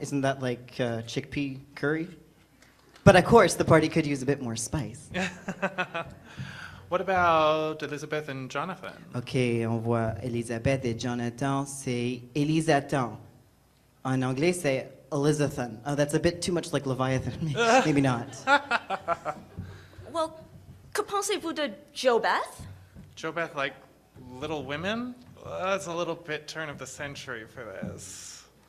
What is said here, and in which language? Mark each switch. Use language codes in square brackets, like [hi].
[en] Isn't that like chickpea curry? But of course, the party could use a bit more spice. What about Elizabeth and Jonathan? [fr] Okay, on voit Elizabeth et Jonathan, c'est Elisathan. En anglais, c'est Elizathan. [en] Oh, that's a bit too much like Leviathan. Maybe not. [fr] Well, que pensez-vous de Jobeth? [en] Jobeth, like Little Women? Well, that's a little bit turn of the century for this.